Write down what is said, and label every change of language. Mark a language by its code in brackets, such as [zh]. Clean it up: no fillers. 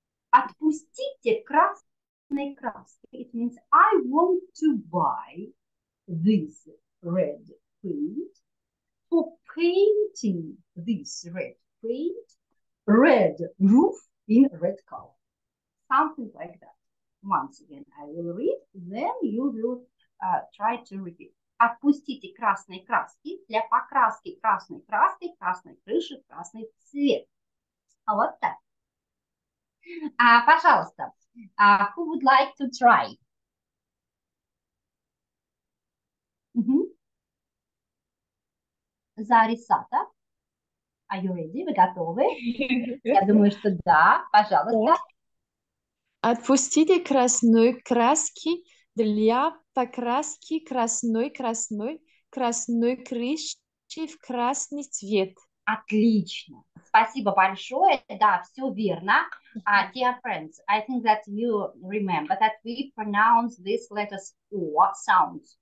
[ru] Отпустите красной краской. [en] It means I want to buy this red paint for painting this red paint, red roof in red color. Something like that. Once again, I will read, then you will try to repeat. [ru] Отпустите красные краски для покраски красной краской, красной крыши, красный цвет. Вот так. Пожалуйста, [en] who would like to try? Зарисата, are you ready? [ru] Вы готовы? Я думаю, что да. Пожалуйста. Отпустите красную краски для покраски красной крыши в красный цвет. Отлично. Спасибо большое. Да, все верно. [en] Dear friends, I think that you remember that we pronounce these letters O sounds.